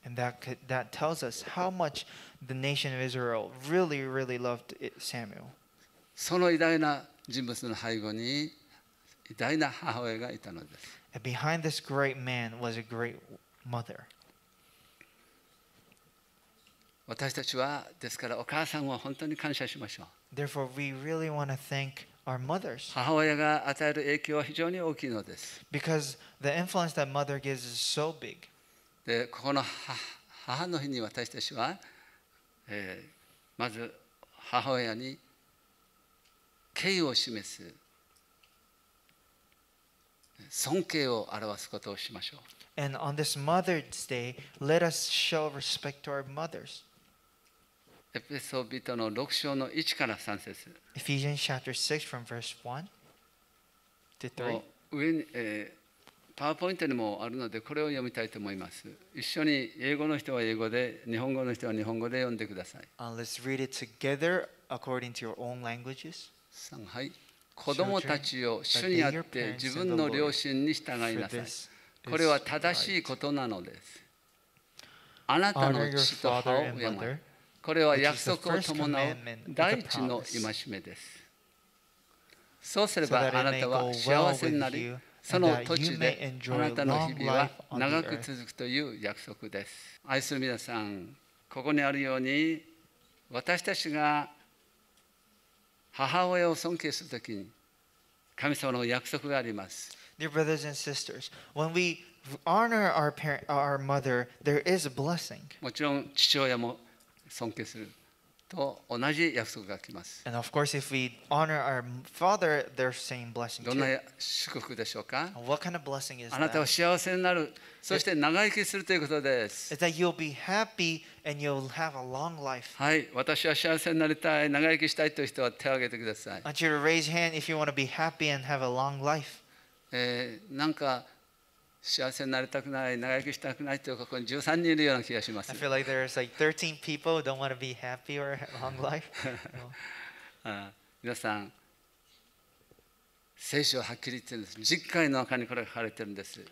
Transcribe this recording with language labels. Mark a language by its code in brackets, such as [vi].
[en] And that tells us how much the nation of Israel really, really loved Samuel. [ja] その偉大な人物の背後に偉大な母親がいたのです。 [en] And behind this great man was a great mother. [ja] 私たちはですからお母さんを本当に感謝しましょう。 [en] Therefore, we really want to thank our mothers. [ja] 母親が与える影響は非常に大きいのです。 [en] Because the influence that mother gives is so big. [ja] で、ここの母の日に私たちは、まず母親に敬意を示す、尊敬を表すことをしましょう。 [en] And on this Mother's Day, let us show respect to our mothers. [ja] エペソ人の6章の1から3節。 [en] Ephesians chapter 6 from verse 1 to 3. [ja] 上に、パワーポイントにもあるのでこれを読みたいと思います。一緒に英語の人は英語で、日本語の人は日本語で読んでください。 [en] Let's read it together according to your own languages. [ja] 3、はい。子供たちを主にあって自分の両親に従いなさい。これは正しいことなのです。あなたの父と母を敬え。これは約束を伴う第一の戒めです。そうすればあなたは幸せになり、その途中であなたの日々は長く続くという約束です。愛する皆さん、ここにあるように、私たちが母親を尊敬するときに、神様の約束があります。 [en] Dear brothers and sisters, when we honor our parent, our mother, there is a blessing. [ja] もちろん父親も尊敬すると同じ約束がきます。 [en] And of course, if we honor our father, there's same blessing too. [ja] どんな祝福でしょうか? [en] What kind of blessing is that? [ja] あなたは幸せになる、そして長生きするということです。 [en] It's that you'll be happy and you'll have a long life. [ja] はい、私は幸せになりたい、長生きしたいという人は手を挙げてください。 [en] I want you to raise hand if you want to be happy and have a long life. [ja] なんか幸せになりたくない、長生きしたくないというか、ここに13人いるような気がします。 [en] I feel like there's like 13 people who don't want to be happy or long life. [ja] 皆さん、聖書ははっきり言ってるんです。十戒の中にこれが書かれてるんです。